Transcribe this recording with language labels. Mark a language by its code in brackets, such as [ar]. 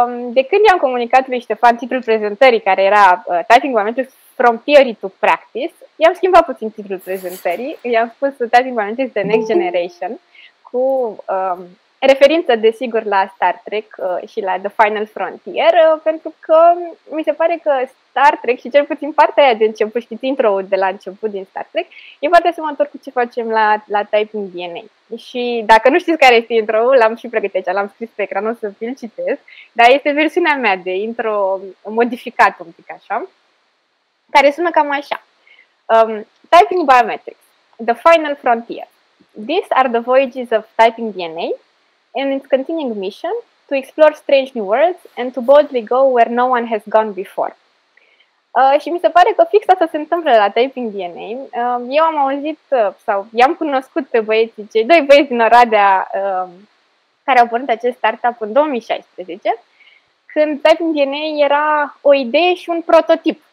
[ro] De când i-am comunicat lui Ștefan titlul prezentării care era Typing Biometric From Theory to Practice, i-am schimbat puțin titlul prezentării, i-am spus Typing Biometric The Next Generation, cu referință desigur la Star Trek și la The Final Frontier, pentru că mi se pare că Star Trek și cel puțin partea aia de început, știți, intro-ul de la început din Star Trek, e foarte asemănător cu ce facem la Typing DNA. Și dacă nu știți care este intro-ul, l-am și pregătit aici, l-am scris pe ecran, o să vi-l citesc, dar este versiunea mea de intro modificat un pic așa, care sună cam așa. [en] Typing Biometrics, The Final Frontier. These are the voyages of Typing DNA and its continuing mission to explore strange new worlds and to boldly go where no one has gone before. [ro] Și mi se pare că fix asta se întâmplă la Typing DNA. Eu am auzit sau i-am cunoscut pe băieții, cei doi băieți din Oradea care au pornit acest startup în 2016, când Typing DNA era o idee și un prototip.